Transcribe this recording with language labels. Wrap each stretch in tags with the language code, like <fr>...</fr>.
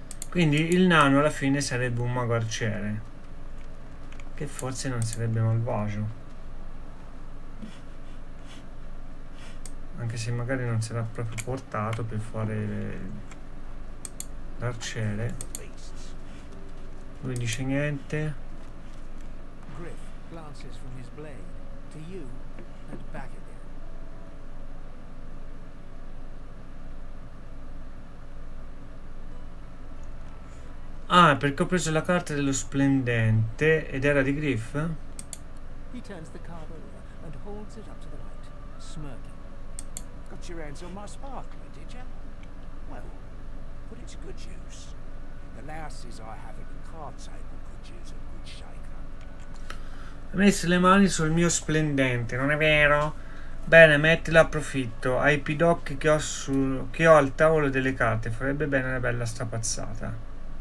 <it>Quindi il nano alla fine sarebbe un mago arciere, che forse non sarebbe malvagio, anche se magari non sarà proprio portato per fare l'arciere. Lui dice niente.</it> <en>Griff glances from his blade to you and back again.</en> <it>Ah, perché ho preso la carta dello splendente ed era di Griff?</it> <en>He turns the card over and holds it up to the light, smirking. Got your hands on my sparkler, did you? Well, put it to good use. The lasses I have at the card table could use a good shaker.</en> <it>Ha messo le mani sul mio splendente, non è vero? Bene, mettilo a profitto. Hai i pidocchi che ho al tavolo delle carte. Farebbe bene una bella strapazzata.</it>